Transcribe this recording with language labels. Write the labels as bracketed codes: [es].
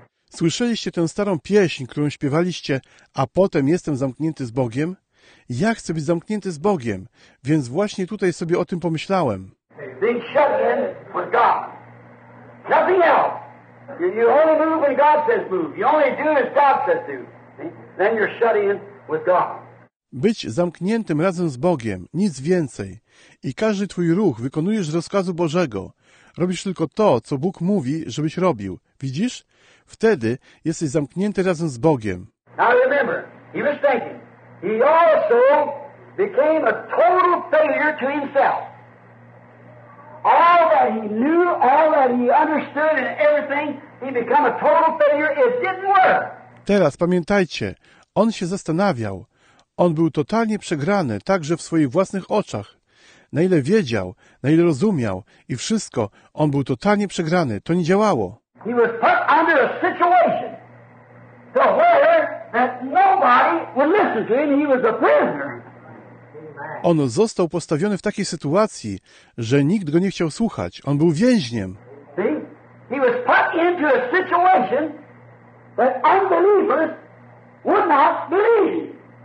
[pl] Słyszeliście tę starą pieśń, którą śpiewaliście, a potem jestem zamknięty z Bogiem? Ja chcę być zamknięty z Bogiem, więc właśnie tutaj sobie o tym pomyślałem. [en] Being shut in with God. Nothing else. You only move when God says move. You only do as God says do. Then you're shut in with God. [pl] Być zamkniętym razem z Bogiem, nic więcej. I każdy twój ruch wykonujesz z rozkazu Bożego. Robisz tylko to, co Bóg mówi, żebyś robił. Widzisz? Wtedy jesteś zamknięty razem z Bogiem. [en] Now remember, he was thinking. He also became a total failure to himself. All that he knew, all that he understood and everything, he became a total failure. It didn't work. [pl] Teraz pamiętajcie, on się zastanawiał. On był totalnie przegrany, także w swoich własnych oczach. Na ile wiedział, na ile rozumiał i wszystko, on był totalnie przegrany. To nie działało. [en] He was put under a situation to where that nobody would listen to him. He was a prisoner. [pl] On został postawiony w takiej sytuacji, że nikt go nie chciał słuchać. On był więźniem. [en] He was put into a situation that unbelievers would not believe.